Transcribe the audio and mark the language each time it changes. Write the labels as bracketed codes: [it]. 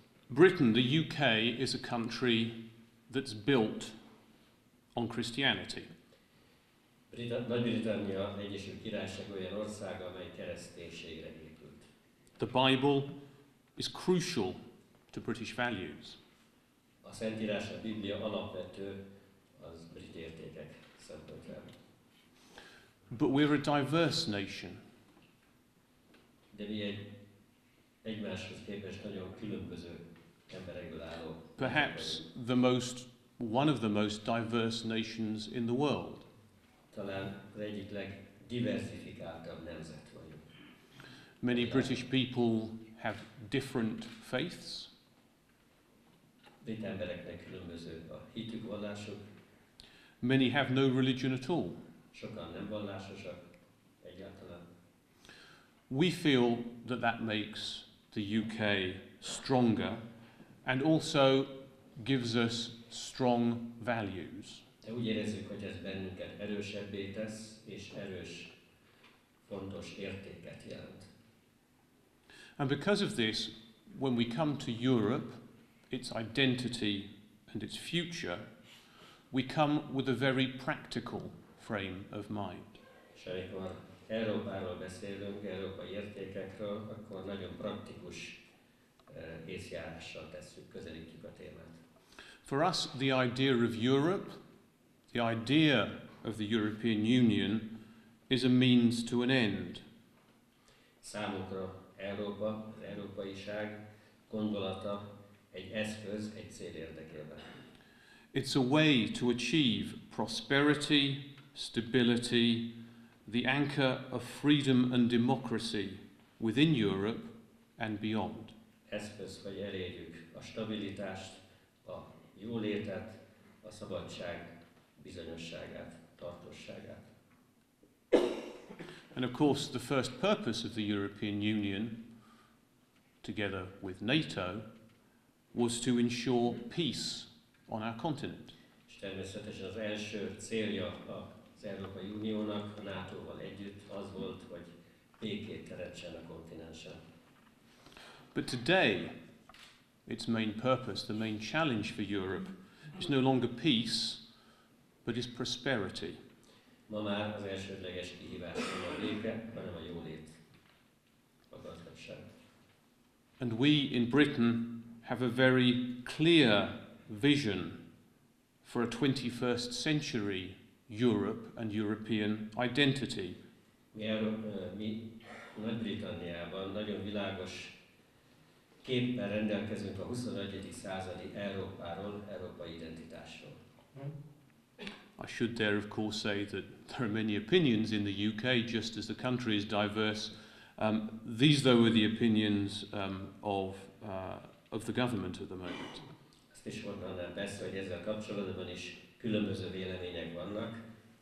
[en] Britain, the UK, is a country that's built on Christianity. [hu] Nagy-Britannia Egyesült Királyság olyan ország, amely kereszténységre épült. [en] The Bible is crucial to British values. [hu] A Szentírás, a Biblia alapvető az brit értékek szempontjából. [en] But we're a diverse nation. [hu] De mi egymáshoz képest nagyon különböző emberekből álló. [en] Perhaps the most, one of the most diverse nations in the world. [hu] Talán az egyik legdiversifikáltabb nemzet vagyunk. [en] Many British people have different faiths. [hu] Brit embereknek különböző a hitük, vallásuk. [en] Many have no religion at all. [hu] Sokan nem vallásosak egyáltalán. [en] We feel that that makes the UK stronger and also gives us strong values. [hu] De úgy érezzük, hogy ez bennünket erősebbé tesz, és erős, fontos értéket jelent. [en] And because of this, when we come to Europe, its identity and its future, we come with a very practical frame of mind. [hu] Európáról beszélünk, európai értékekről, akkor nagyon praktikus észjárással tesszük, közelítjük a témát. [en] For us, the idea of Europe, the idea of the European Union is a means to an end. [hu] Számunkra Európa, az európaiság gondolata egy eszköz, egy cél érdekében. [en] It's a way to achieve prosperity, stability, the anchor of freedom and democracy within Europe and beyond. [hu] Eszköz, hogy elérjük a stabilitást, a jólétet, a szabadság bizonyosságát, tartosságát. [en] And of course the first purpose of the European Union, together with NATO, was to ensure peace on our continent. [hu] És természetesen az első célja a Európai Uniónak, a NATO-val együtt az volt, hogy békét teremtsen a kontinensen. [en] But today, its main purpose, the main challenge for Europe, is no longer peace, but is prosperity. [hu] Ma már az elsődleges kihívás nem a béke, hanem a jólét, a gazdagság. [en] And we in Britain have a very clear vision for a 21st century Europe and European identity. [hu] Mi Nagy-Britanniában nagyon világos képpel rendelkezünk a 21. századi Európáról, európai identitásról. [en] I should there of course say that there are many opinions in the UK, just as the country is diverse. These though were the opinions of the government at the moment. [hu] Azt is mondanám persze, hogy ezzel kapcsolatban is különböző vélemények vannak.